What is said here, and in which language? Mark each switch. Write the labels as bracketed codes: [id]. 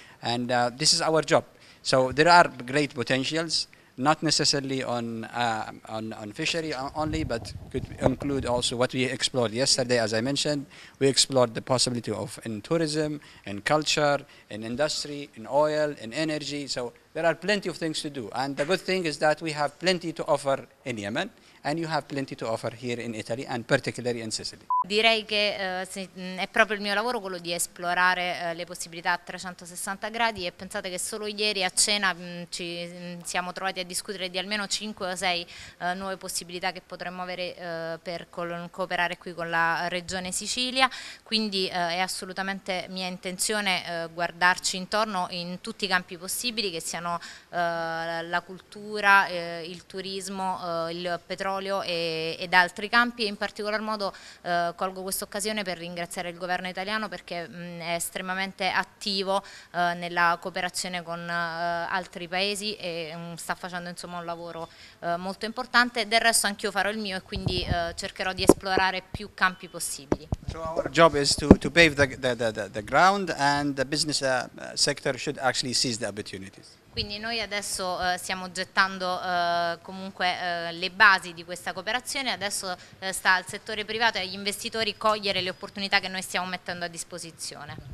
[en] And this is our job. So there are great potentials, not necessarily on fishery only, but could include also what we explored yesterday. As I mentioned, we explored the possibility of in tourism, in culture, in industry, in oil, in energy. So there are plenty of things to do. And the good thing is that we have plenty to offer in Yemen, and you have plenty to offer here in Italy, and particularly in Sicily. [it] Direi che è proprio il mio lavoro quello di esplorare le possibilità a 360 gradi, e pensate che solo ieri a cena ci siamo trovati a discutere di almeno 5 o 6 nuove possibilità che potremmo avere per cooperare qui con la regione Sicilia, quindi è assolutamente mia intenzione guardarci intorno in tutti i campi possibili, che siano la cultura, il turismo, il petrolio ed altri campi, e in particolar modo colgo questa occasione per ringraziare il governo italiano perché è estremamente attivo nella cooperazione con altri paesi e sta facendo insomma un lavoro molto importante. Del resto anch'io farò il mio e quindi cercherò di esplorare più campi possibili. [en] So our job is to pave the ground, and the business sector should actually seize the opportunities. [it] Quindi noi adesso stiamo gettando comunque le basi di questa cooperazione, adesso sta al settore privato e agli investitori cogliere le opportunità che noi stiamo mettendo a disposizione.